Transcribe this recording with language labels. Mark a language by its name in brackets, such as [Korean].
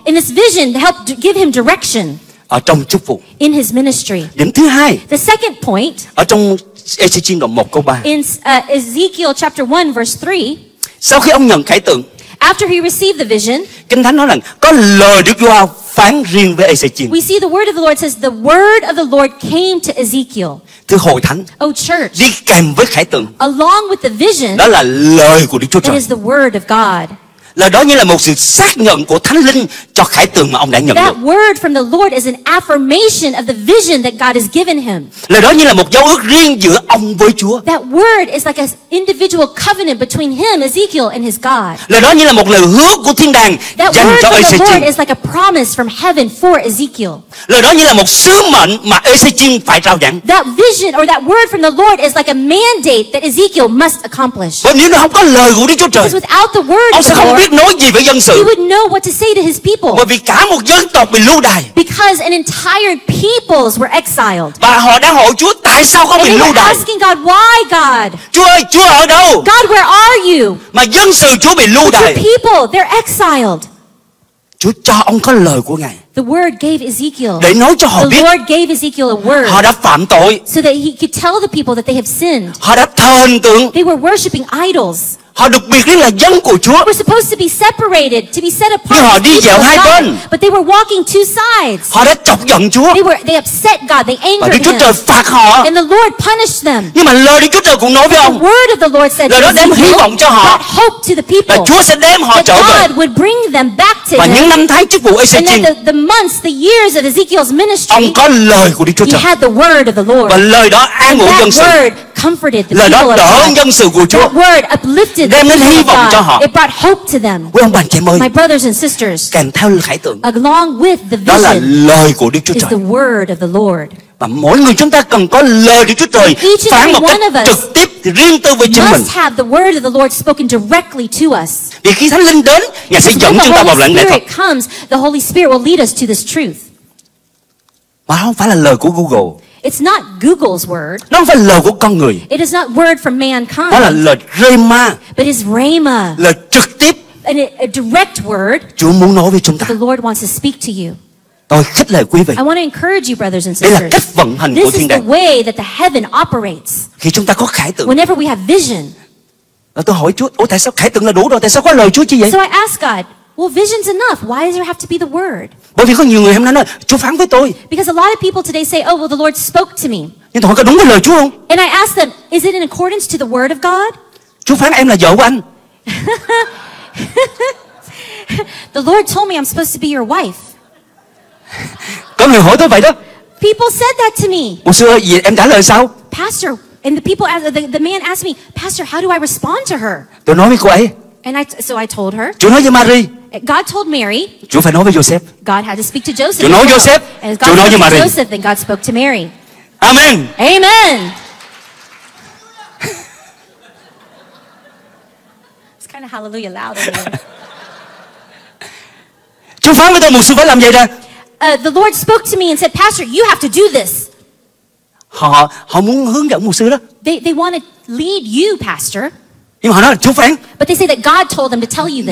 [English] In this vision helped give him direction. [Vietnamese] Ở trong chức vụ. [English] In his ministry. [Vietnamese] Điểm thứ hai. [English] The second point. [Vietnamese] Ở trong Ezekiel đoạn 1 câu 3. [English] In Ezekiel chapter 1 verse 3. [Vietnamese] Sau khi ông nhận khải tượng. [English] After he received the vision. [Vietnamese] Kinh Thánh nói rằng có lời Đức Chúa phán riêng với Ezekiel. [English] We see the word of the Lord says the word of the Lord came to Ezekiel. [Vietnamese] Thứ hội thánh. [English] Oh church. [Vietnamese] Đi kèm với khải tượng. [English] Along with the vision. [Vietnamese] Đó là lời của Đức Chúa Trời. [English] It is the word of God. [Vietnamese] Là đó như là một sự xác nhận của Thánh Linh cho khải tượng mà ông đã nhận [English] that [Vietnamese] được. [English] That word from the Lord is an affirmation of the vision that God has given him. [Vietnamese] Là đó như là một dấu ước riêng giữa ông với Chúa. [English] That word is like an individual covenant between him, Ezekiel, and his God. [Vietnamese] Là đó như là một lời hứa của thiên đàng [English] that [Vietnamese] dành cho Ezekiel. [English] That word is like a promise from heaven for Ezekiel. [Vietnamese] Là đó như là một sứ mệnh mà Ezekiel phải trao giảng. [English] That vision or that word from the Lord is like a mandate that Ezekiel must accomplish. [Vietnamese] Và nếu nó không có lời của Đức Chúa Trời, [English] because without the word [Vietnamese] ông sẽ không biết nói gì với dân sự. [English] He would know what to say to his people. [Vietnamese] Bởi vì cả một dân tộc bị lưu đày. [English] Because an entire peoples were exiled. [Vietnamese] Và họ đang hỏi Chúa tại sao không bị lưu đày. [English] Asking God why God. [Vietnamese] Chúa ơi, Chúa ở đâu? [English] God where are you? [Vietnamese] Mà dân sự Chúa bị lưu đày. [English] But your people they're exiled. [Vietnamese] Chúa cho ông có lời của Ngài. [English] The word gave Ezekiel. [Vietnamese] Để nói cho họ [English] the [Vietnamese] biết. [English] The Lord gave Ezekiel a word. [Vietnamese] Họ đã phạm tội. [English] So that he could tell the people that they have sinned. [Vietnamese] Họ đã thờ hình tượng. [English] They were worshiping idols. [Vietnamese] Họ được biệt riêng là dân của Chúa. [English] We're supposed to be separated, to be set apart. [Vietnamese] Nhưng họ đi dẹo hai bên. [English] But they were walking two sides. [Vietnamese] Họ đã chọc giận Chúa. [English] They upset God, they angered Him. [Vietnamese] Và Đức Chúa Trời phạt họ. [English] And the Lord punished them. [Vietnamese] Nhưng mà lời Đức Chúa Trời cũng nói với ông. [English] The word of the Lord said, [Vietnamese] lời đó đem hy vọng cho họ. [English] Brought hope to the people. [Vietnamese] Và Chúa sẽ đem họ trở về. [English] God would bring them back to Him. [Vietnamese] Và những năm tháng chức vụ Ezekiel. [English] And then the months, the years of Ezekiel's ministry. [Vietnamese] Ông có lời của Đức Chúa Trời. [English] He had the word of the Lord. [Vietnamese] Và lời đó an ủi dân sự. [English] Comforted the people of God. [Vietnamese] Lời đó đỡ dân sự của Chúa. [English] That word uplifted the people of God. [Vietnamese] Đem đến hy vọng cho họ. [English] It brought hope to them. [Vietnamese] Quý ông bà chị em ơi. [English] My brothers and sisters. [Vietnamese] Kèm theo khải tượng. [English] Along with the vision. [Vietnamese] Đó là lời của Đức Chúa Trời. [English] Is the word of the Lord. [Vietnamese] Và mỗi người chúng ta cần có lời Đức Chúa Trời phán một cách trực tiếp riêng tư với chính mình. [English] Must have the word of the Lord spoken directly to us. [Vietnamese] Vì khi Thánh Linh đến, Ngài sẽ dẫn chúng ta vào lãnh lẽ thật. [English] Comes, the Holy Spirit will lead us to this truth. [Vietnamese] Mà không phải là lời của Google. [English] It's not Google's word. [Vietnamese] Nó không phải lời của con người. [English] It is not word from mankind. [Vietnamese] Đó là lời rhema. [English] But it's rhema. [Vietnamese] Lời trực tiếp. [English] And a direct word. [Vietnamese] Chúa muốn nói với chúng ta. [English] The Lord wants to speak to you. [Vietnamese] Tôi khích lệ quý vị. [English] I want to encourage you, brothers and sisters. [Vietnamese] Đây là cách vận hành của thiên đàng. [English] This is the way that the heaven operates. [Vietnamese] Khi chúng ta có khải tượng. [English] Whenever we have vision. [Vietnamese] Và tôi hỏi Chúa, tại sao khải tượng là đủ rồi? Tại sao có lời Chúa chi vậy? [English] So I ask God. Well, vision's enough. Why does there have to be the word? [Vietnamese] Bởi vì có nhiều người hôm nay nói, Chúa phán với tôi. [English] Because a lot of people today say, oh, well, the Lord spoke to me. [Vietnamese] Nhưng tôi hỏi có đúng với lời Chúa không? [English] And I ask them, is it in accordance to the word of God? [Vietnamese] Chúa phán em là vợ của anh. [English] The Lord told me I'm supposed to be your wife. [Vietnamese] Có người hỏi tôi vậy đó. [English] People said that to me. [Vietnamese] Mục sư ơi, em trả lời sao? [English] Pastor, and the people, the man asked me, Pastor, how do I respond to her? [Vietnamese] Tôi nói với cô ấy. [English] And so I told her. [Vietnamese] Chúa nói với Mary. [English] God told Mary. [Vietnamese] Chúa phải nói với Joseph. [English] God had to speak to Joseph. [Vietnamese] Chúa nói Joseph. Chúa nói với Mary. [English] Joseph, then God spoke to Mary. Amen. Amen. It's kind of hallelujah loud. [Vietnamese] Chúa phán với tôi, mục sư phải làm vậy đó. [English] The Lord spoke to me and said, Pastor, you have to do this. [Vietnamese] Họ muốn hướng dẫn mục sư đó. [English] They want to lead you, Pastor. [Vietnamese] Nhưng mà nó là Chúa phán. [English] But they say that God told them to tell you this.